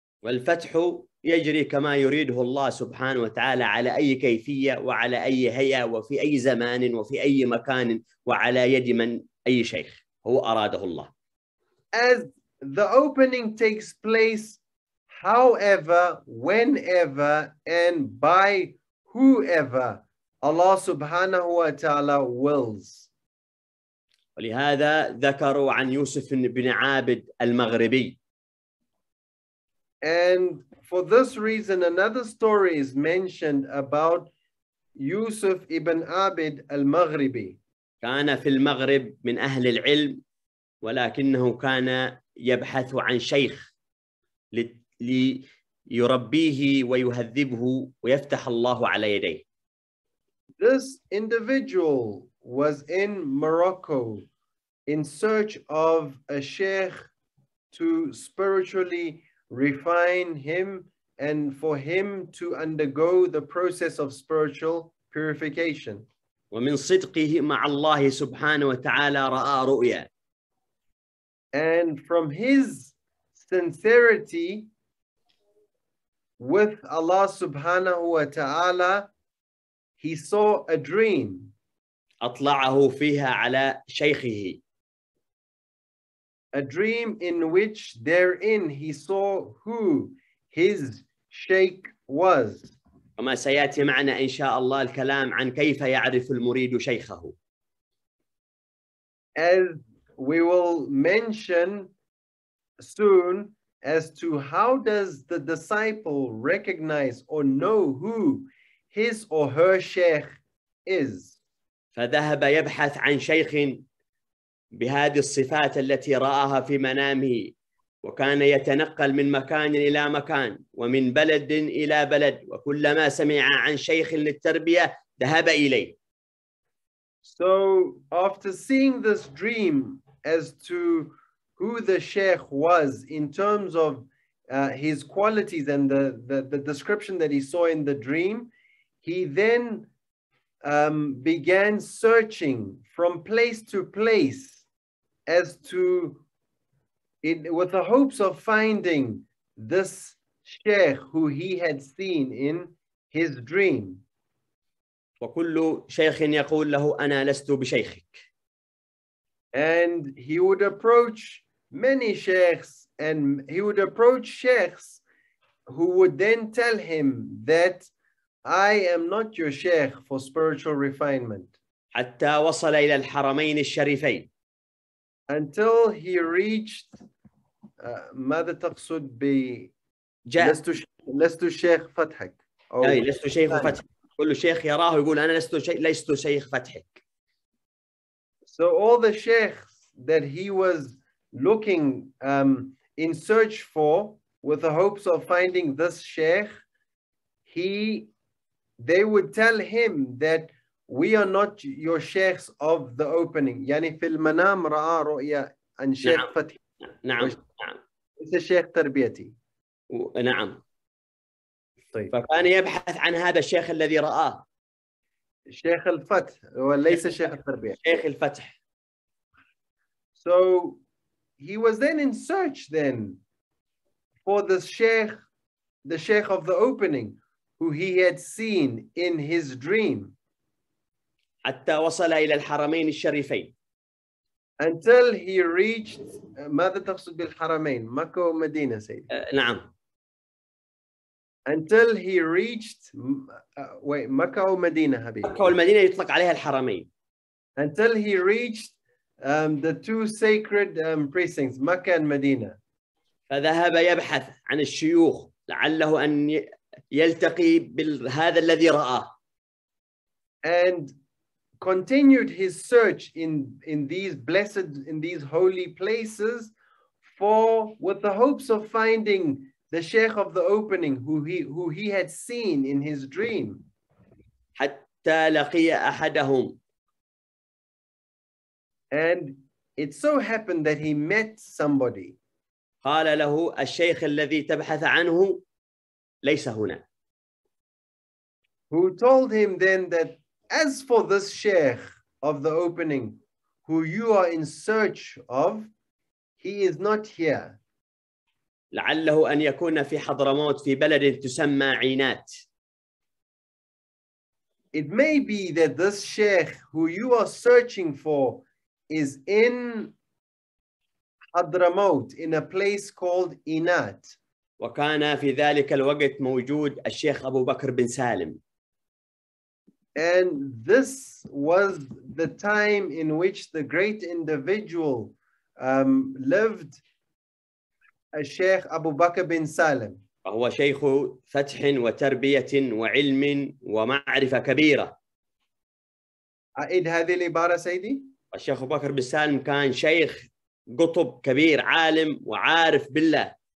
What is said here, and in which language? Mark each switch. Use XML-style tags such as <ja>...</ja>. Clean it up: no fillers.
<ar>والفتح يجري كما يريده الله سبحانه وتعالى على أي كيفية وعلى أي هيئة وفي أي زمان وفي أي مكان وعلى يد من أي شيخ هو أراده الله.</ar> <en>As the opening takes place, however, whenever, and by whoever Allah subhanahu wa ta'ala wills.</en> <ar>ولهذا ذكروا عن يوسف بن عابد المغربي.</ar> <en>And for this reason, another story is mentioned about Yusuf ibn Abid al-Maghribi.</en> <ar>كان في المغرب من أهل العلم ولكنه كان يبحث عن شيخ ليربيه ويهذبه ويفتح الله على يديه.</ar> <en>This individual was in Morocco in search of a sheikh to spiritually refine him and for him to undergo the process of spiritual purification.</en> <ar>ومن صدقه مع الله سبحانه وتعالى رأى رؤيا.</ar> <en>And from his sincerity with Allah subhanahu wa ta'ala, he saw a dream.</en> <ar>أطلعه فيها على شيخه.</ar> <en>A dream in which therein he saw who his sheikh was.</en> <ar>وما سيأتي معنا إن شاء الله الكلام عن كيف يعرف المريد شيخه.</ar> <en>As we will mention soon as to how does the disciple recognize or know who his or her sheikh is.</en> <ar>فذهب يبحث عن شيخ بهذه الصفات التي رآها في منامه وكان يتنقل من مكان إلى مكان ومن بلد إلى بلد وكلما سمع عن شيخ للتربية ذهب إليه.</ar> <en>So after seeing this dream as to who the sheikh was in terms of his qualities and the description that he saw in the dream, he then began searching from place to place as to it, with the hopes of finding this sheikh who he had seen in his dream.</en> <ar>وكل شيخ يقول له أنا لست بشيخك.</ar> <en>And he would approach many sheikhs, and he would approach sheikhs who would then tell him that I am not your sheikh for spiritual refinement.</en> <ar>حتى وصل إلى الحرمين الشريفين.</ar> <en>Until he reached</en> <ar>ماذا تقصد ب لست شيخ فتحك أو لست شيخ فتحك. كل شيخ يراه يقول أنا لست شيخ فتحك.</ar> <en>So all the sheikhs that he was looking in search for, with the hopes of finding this sheikh, they would tell him that we are not your sheikhs of the opening.</en> <ar>يعني في المنام رأى رؤيا عن شيخ فتح. نعم.</ar> <en>It's a sheikh</en> <ar>تربيتي. نعم. طيب. فكان يبحث عن هذا الشيخ الذي رآه. الشيخ الفتح وليس شيخ التربية. شيخ الفتح.</ar> <en>So he was then in search then for the sheikh of the opening, who he had seen in his dream.</en> <ar>حتى وصل إلى الحرمين الشريفين.</ar> <en>Until he reached,</en> <ar>ماذا تقصد بالحرمين؟ مكة ومدينة سيد. نعم.</ar> <en>Until he reached, wait,</en> <ar>مكة ومدينة حبيبي. مكة والمدينة يطلق عليها الحرمين.</ar> <en>Until he reached the two sacred precincts, مكة ومدينة.</en> <ar>فذهب يبحث عن الشيوخ لعله أن يلتقي بهذا الذي رأى.</ar> <en>And continued his search in these holy places with the hopes of finding the sheikh of the opening who he had seen in his dream.</en> <ar>حتى لقي أحدهم.</ar> <en>And it so happened that he met somebody.</en> <ar>قال له الشيخ الذي تبحث عنه ليس هنا.</ar> <en>Who told him then that as for this sheikh of the opening who you are in search of, he is not here.</en> <ar>لعله أن يكون في حضرموت في بلد تسمى عينات.</ar> <en>It may be that this sheikh who you are searching for is in حضرموت, in a place called عينات.</en> <ar>وكان في ذلك الوقت موجود الشيخ أبو بكر بن سالم.</ar> <en>And this was the time in which the great individual lived, a Sheikh Abu Bakr bin Salim.</en> <ar>وهو شيخ فتح وتربية وعلم ومعرفة كبيرة. أعيد هذه العبارة سيدي. الشيخ أبو بكر بن سالم كان شيخ قطب كبير عالم وعارف بالله.</ar>